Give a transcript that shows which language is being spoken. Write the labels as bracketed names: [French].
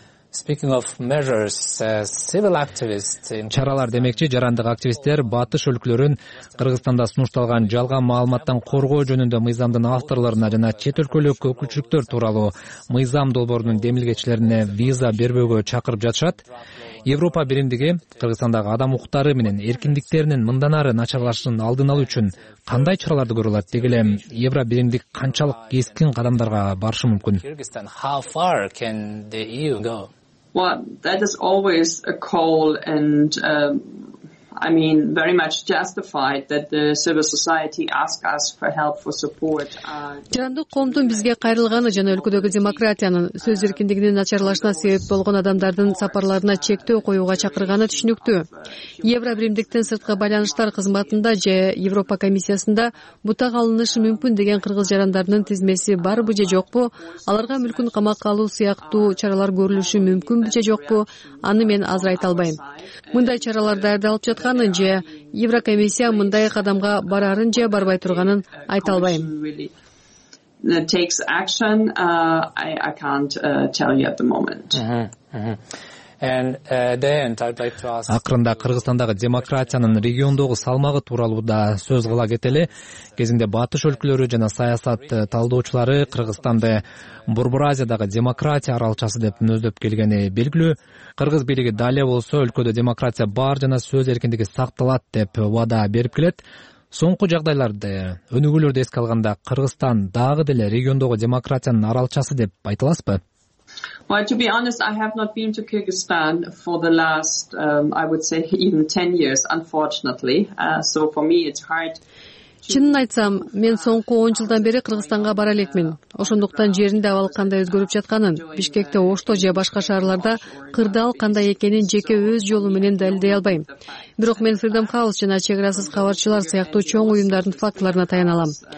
[English] Speaking of measures, civil activists in [Kyrgyz] чаралар демекчи жарандык активисттер батыш өлкөлөрүн Кыргызстанда сунушталган жалган маалыматтан коргоо жөнүндө мыйзамдын авторлоруна жана чет өлкөлүк өкүлчүлүктөр тууралуу мыйзам долбоорунун демилгечилерине виза бербөөгө чакырып жатышат. Европа биримдиги Кыргызстандагы адам укуктары менен эркиндиктеринин мындан ары начарлашын алдын алуу үчүн кандай чараларды көрө алат деги эле Евро биримдик канчалык кескин кадамдарга барышы мүмкүн? [English] Well, that is always a call and I mean very much justified that the civil society ask us for help for support. [Kyrgyz] Жарандык коомдун бизге кайрылганы жана өлкөдөгү демократиянын сөз эркиндигинин начарлашына себеп болгон адамдардын сапарларына чектөө коюуга чакырганы түшүнүктүү. Евробиримдиктин сырткы байланыштар кызматында же Европа комиссиясында бутак алынышы мүмкүн деген кыргыз жарандарынын тизмеси барбы же жокпу, аларга мүлкүн камакка алуу сыяктуу чаралар көрүлүшү мүмкүнбү же жокпу, аны мен азыр айта албайм. Мындай чаралар даярдалып жатканын же Еврокомиссия мындай кадамга барарын же барбай турганын айта албайм. [English] Takes action I can't tell you at the moment. [Kyrgyz] Акырында Кыргызстандагы демократиянын региондогу салмагы тууралуу да сөз кыла кетели. Кезинде батыш өлкөлөрү жана саясат талдоочулары Кыргызстанды Борбор Азиядагы демократия аралчасы деп мүнөздөп келгени белгилүү. Кыргыз бийлиги дале болсо өлкөдө демократия бар жана сөз эркиндиги сакталат деп убада берип келет. Соңку жагдайларды, өнүгүүлөрдү эске алганда, Кыргызстан дагы деле региондогу демократиянын аралчасы деп айтыласпы? [English] Well, to be honest, I have not been to Kyrgyzstan for the last, I would say, even 10 years, unfortunately. So for me, it's hard. [Kyrgyz] Чынын айтсам, мен соңку 10 жылдан бери Кыргызстанга бара элекмин. Ошондуктан жеринде абал кандай өзгөрүп жатканын, Бишкекте, Ошто же башка шаарларда кырдаал кандай экенин жеке өз жолу менен далилдей албайм. Бирок мен Freedom House жана чегарасыз кабарчылар сыяктуу чоң уюмдардын фактыларына таянам.